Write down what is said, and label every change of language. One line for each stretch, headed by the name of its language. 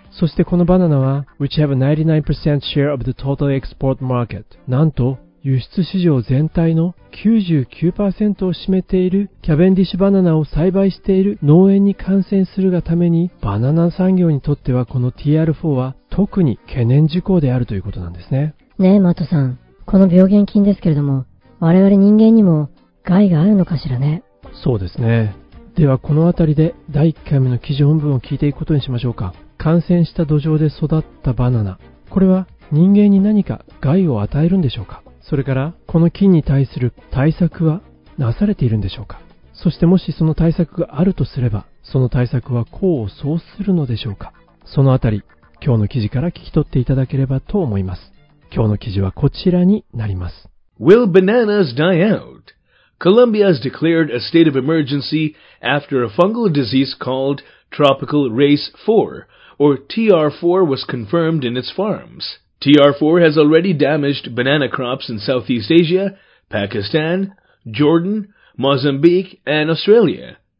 Japanese: そしてこのバナナは、
English: which have a 99% share of the total export market.
Japanese: なんと、輸出市場全体の 99% を占めているキャベンディッシュバナナを栽培している農園に感染するがためにバナナ産業にとってはこの TR4 は特に懸念事項であるということなんですね。ねえマトさん、この病原菌ですけれども我々人間にも害があるのかしらね。そうですね。ではこのあたりで第1回目の記事本文を聞いていくことにしましょうか。感染した土壌で育ったバナナ、これは人間に何か害を与えるんでしょうか。それからこの菌に対する対策はなされているんでしょうか。そしてもしその対策があるとすればその対策は功を奏するのでしょうか。そのあたり今日の記事から聞き取っていただければと思います。今日の記事はこちらになります。
English: Will bananas die out? Colombia has declared a state of emergency after a fungal disease called Tropical Race 4 or TR4 was confirmed in its farms. TR4 has already damaged banana crops in Southeast Asia, Pakistan, Jordan, Mozambique, and Australia.